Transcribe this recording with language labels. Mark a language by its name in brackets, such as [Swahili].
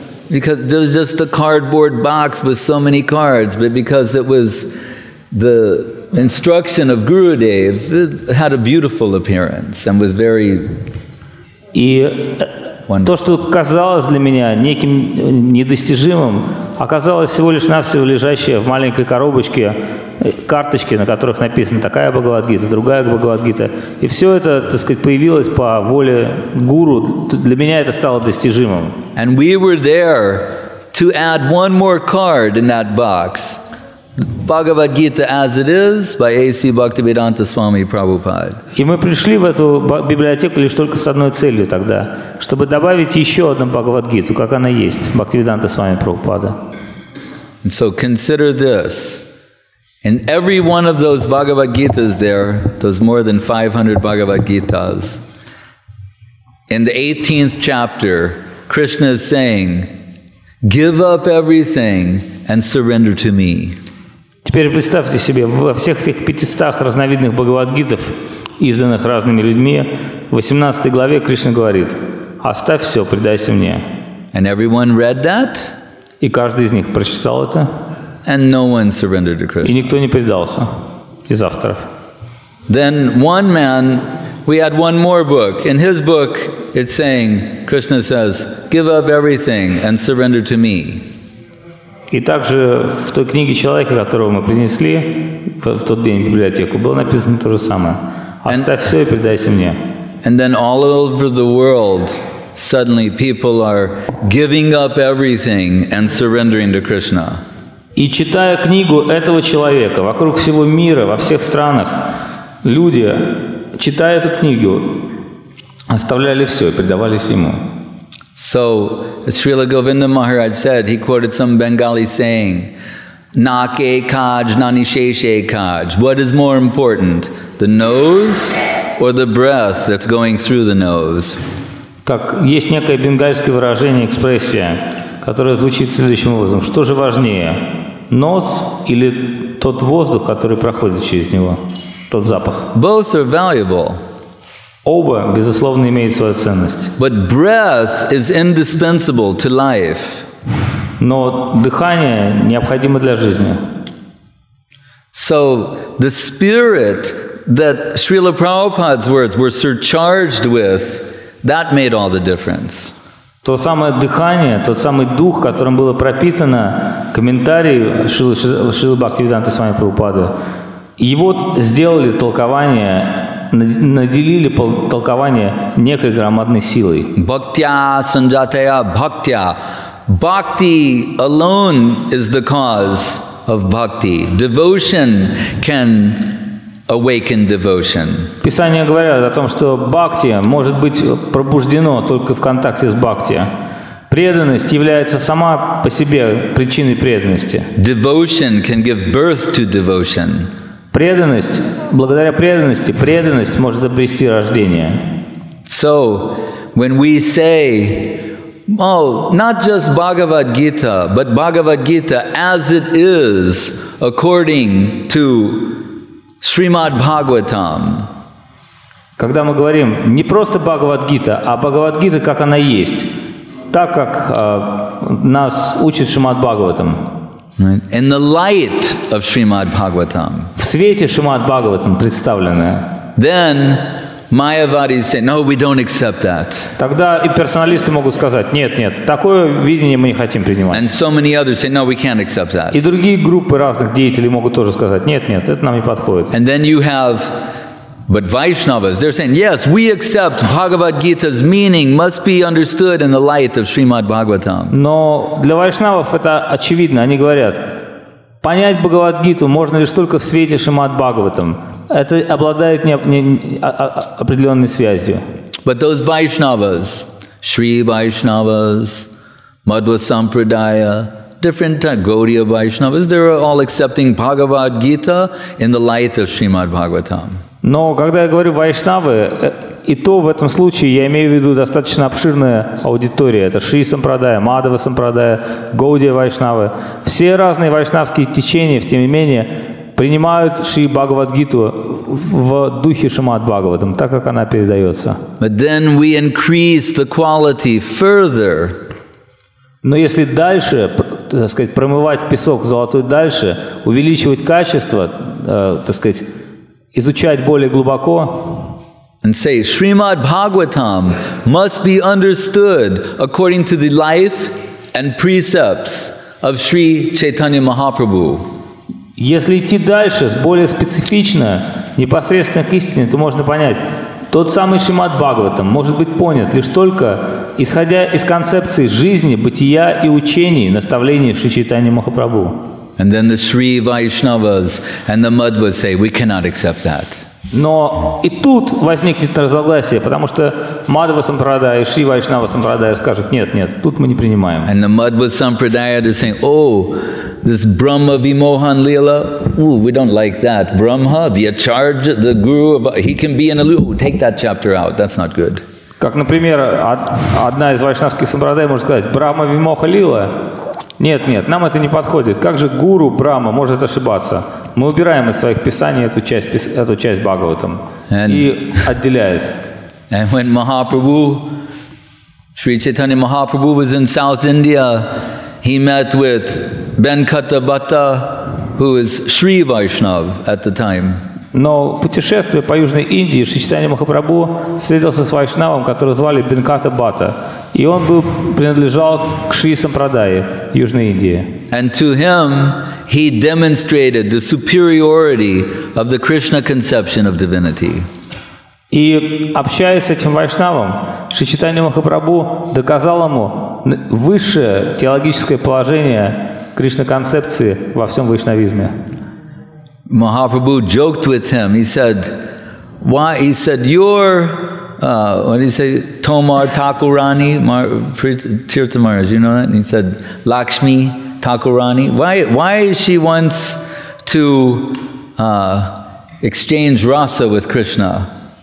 [English] Because there was just a cardboard box with so many cards, but because it was the instruction of Gurudev, it had a beautiful appearance and was very wonderful. [Russian] И то, что казалось для меня неким недостижимым, оказалось всего лишь навсего лежащее в маленькой коробочке карточки, на которых написано такая Бхагавадгита, другая Бхагавадгита. И все это, так сказать, появилось по воле гуру. Для меня это стало достижимым. [English] And we were there to add one more card in that box. Bhagavad Gita as it is by A.C. Bhaktivedanta Swami Prabhupada. [Russian] И мы пришли в эту библиотеку лишь только с одной целью тогда, чтобы добавить еще одну Бхагавадгиту, как она есть, Бхактивиданта Свами Прабхупада. [English] And so consider this. In every one of those Bhagavad Gitas there, those more than 500 Bhagavad Gitas, in the 18th chapter, Krishna is saying, give up everything and surrender to me. [Russian] Теперь представьте себе, во всех этих 500 разновидных Бхагавадгитов, изданных разными людьми, в 18 главе Кришна говорит, оставь все, предайся мне. [English] And everyone read that? [Russian] И каждый из них прочитал это. [English] And no one surrendered to Krishna. [Russian] И никто не предался из авторов. [English] Then one man, we had one more book. In his book, it's saying, Krishna says, give up everything and surrender to me. [Russian] И также в той книге человека, которого мы принесли в тот день в библиотеку, было написано то же самое. Оставь все и предайся мне. [English] And then all over the world, suddenly people are giving up everything and surrendering to Krishna. [Russian] И читая книгу этого человека, вокруг всего мира, во всех странах, люди, читая эту книгу, оставляли все и предавались ему. [English] So, as Srila Govinda Maharaj said, he quoted some Bengali saying, [Bangla] Na ke kaj, na nisheshe kaj. [English] What is more important, the nose or the breath that's going through the nose? [Russian] Как есть некое бенгальское выражение, экспрессия, которое звучит следующим образом. Что же важнее, нос или тот воздух, который проходит через него, тот запах? [English] Both are valuable. [Russian] Оба, безусловно, имеют свою ценность. [English] But breath is indispensable to life. [Russian] Но дыхание необходимо для жизни. [English] So the spirit that Srila Prabhupada's words were surcharged with, that made all the difference. [Russian] То самое дыхание, тот самый дух, которым было пропитано комментарий Шрилы Бхактивиданты Свами Прабхупады, его сделали толкование, наделили толкование некой громадной силой. [Sanskrit] Бхактия санджатая бхактия. [English] Бхакти alone is the cause of bhakti. Devotion can awaken devotion. [Russian] Писания говорят о том, что бхакти может быть пробуждено только в контакте с бхакти. Преданность является сама по себе причиной преданности. [English] Devotion can give birth to devotion. [Russian] Преданность, благодаря преданности, преданность может обрести рождение. [English] So, when we say, oh, not just Bhagavad Gita, but Bhagavad Gita as it is according to Srimad Bhagavatam. [Russian] Когда мы говорим не просто Бхагавад-гита, а Бхагавад-гита, как она есть, так как нас учит Шримад Бхагаватам. [English] In the light of Srimad Bhagavatam. [Russian] В свете Шримад Бхагаватам представленное. [English] Then Mayavadis say, no, we don't accept that. [Russian] Тогда и персоналисты могут сказать, нет, нет, такое видение мы не хотим принимать. [English] And so many others say, no, we can't accept that. [Russian] И другие группы разных деятелей могут тоже сказать, нет, нет, это нам не подходит. [English] And then you have, but Vaishnavas, they're saying, yes, we accept Bhagavad Gita's meaning must be understood in the light of Srimad Bhagavatam. [Russian] Но для вайшнавов это очевидно. Они говорят, понять Бхагавад Гиту можно лишь только в свете Шримад Бхагаватам. Это обладает определенной связью. [English] But those Vaishnavas, Sri Vaishnavas, Madhva Sampradaya, different Gaudiya Vaishnavas, they're all accepting Bhagavad Gita in the light of Srimad Bhagavatam. [Russian] Но когда я говорю вайшнавы, и то в этом случае я имею в виду достаточно обширная аудитория. Это Шри Сампрадая, Мадхава Сампрадая, Гаудия вайшнавы. Все разные вайшнавские течения, тем не менее, принимают Шри Бхагавадгиту в духе Шримад Бхагаватам, так как она передается. [English] But then we increase the quality further. [Russian] Но если дальше, так сказать, промывать песок золотой дальше, увеличивать качество, так сказать, изучать более глубоко. [English] And say, Srimad Bhagavatam must be understood according to the life and precepts of Sri Chaitanya Mahaprabhu. [Russian] Если идти дальше, более специфично, непосредственно к истине, то можно понять, тот самый Шримад Бхагаватам может быть понят лишь только исходя из концепции жизни, бытия и учений, наставлений Шри Чайтаньи Махапрабху. [English] And then the Sri Vaishnavas and the Madhvas say, we cannot accept that. [Russian] Но и тут возникнет разногласие, потому что Madhva Sampradaya и Sri Vaishnava Sampradaya скажут, нет, нет, тут мы не принимаем. [English] And the Madhva Sampradaya, they're saying, oh, this Brahma Vimohan Leela, ooh, we don't like that. Brahma, the Acharya, the Guru, he can be in a loop. Take that chapter out, that's not good. [Russian] Как, например, одна из вайшнавских сампрадай может сказать, Брахма Вимоха Лила? Нет, нет, нам это не подходит. Как же гуру Брахма может ошибаться? Мы убираем из своих писаний эту часть Бхагаватам и отделяет. [English] And when Mahaprabhu, Sri Chaitanya Mahaprabhu was in South India, he met with Benkata Bhatta, who is Sri Vaishnav at the time. [Russian] Но путешествуя по Южной Индии, Шри Чайтанья Махапрабху встретился с вайшнавом, которого звали Бенката Бхатта. И он принадлежал к Шри Сампрадае Южной Индии. [English] And to him he demonstrated the superiority of the Krishna conception of divinity. [Russian] И общаясь с этим вайшнавом, Шри Чайтанья Махапрабху доказал ему высшее теологическое положение Кришна-концепции во всем вайшнавизме. [English] Mahaprabhu joked with him. He said, "Why?" He said, "Your what did he say? [Bangla] Tomar Thakurani, Tirthamaraj. [English] You know that?" And he said, "Lakshmi Thakurani. Why she wants to exchange rasa with Krishna?"